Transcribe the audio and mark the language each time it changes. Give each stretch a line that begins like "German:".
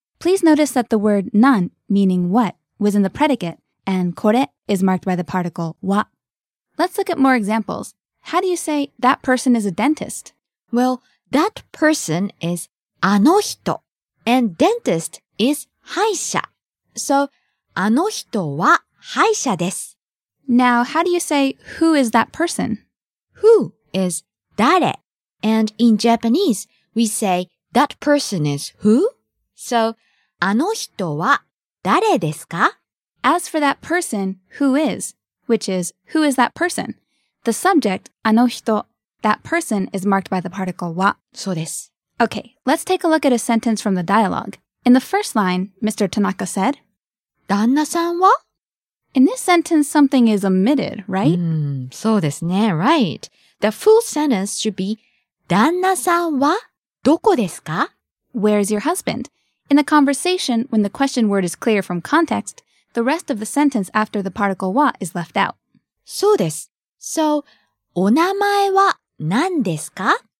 English: Please notice that the word 何, meaning what, was in the predicate, and これ is marked by the particle wa. Let's look at more examples. How do you say that person is a dentist? Well, that person is あの人, and dentist is 歯医者.
Japanese: So, あの人は歯医者です.
English: Now, how do you say who is that person? Who is 誰? And in Japanese, we say that person is who?
Japanese: So, あの人は誰ですか?
English: As for that person, who is? Which is, who is that person? The subject, あの人, that person, is marked by the particle wa.
Japanese: そうです。
English: Okay, let's take a look at a sentence from the dialogue. In the first line, Mr. Tanaka said,
Japanese: 旦那さんは?
English: In this sentence, something is omitted, right?
Japanese: そうですね、
English: right. The full sentence should be,
Japanese: 旦那さんはどこですか?
English: Where is your husband? In the conversation, when the question word is clear from context, the rest of the sentence after the particle wa is left out.
Japanese: そうです。 So, お名前は何ですか?